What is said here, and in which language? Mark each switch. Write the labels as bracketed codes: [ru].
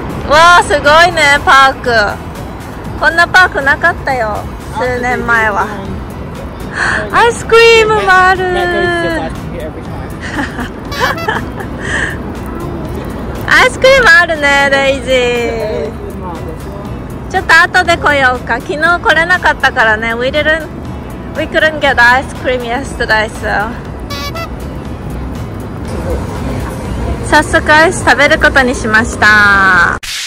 [ja] わあ、すごいね、パーク。こんなパークなかったよ、数年前は。アイスクリームもある。アイスクリームあるね、デイジー。ちょっと後で来ようか。昨日来れなかったからね。 [en] We couldn't get ice cream yesterday, so. [ja] 早速アイス食べることにしました。